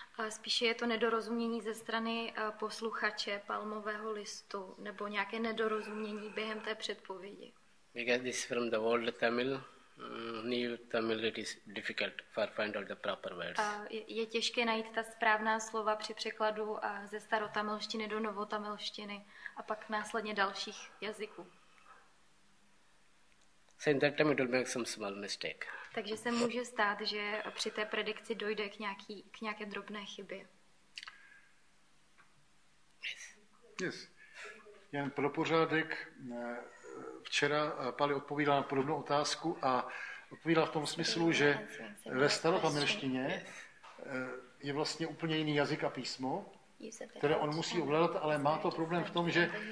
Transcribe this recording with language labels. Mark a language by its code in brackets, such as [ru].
[cs] Spíše je to nedorozumění ze strany posluchače palmového listu nebo nějaké nedorozumění během té předpovědi. [en] Because this is from the old Tamil, new Tamil, it is difficult for find all the proper words. [cs] Je těžké najít ta správná slova při překladu ze starotamilštiny do novotamilštiny a pak následně dalších jazyků. [en] So in that time it will make some small mistake. [cs] Takže se může stát, že při té predikci dojde k nějaké drobné chybě. [en] Yes. [cs] Jen pro pořádek, včera Pali odpovídala na podobnou otázku a odpovídala v tom smyslu, že ve starotamilštině je vlastně úplně jiný jazyk a písmo, které on musí ovládat, ale má to problém v tom, že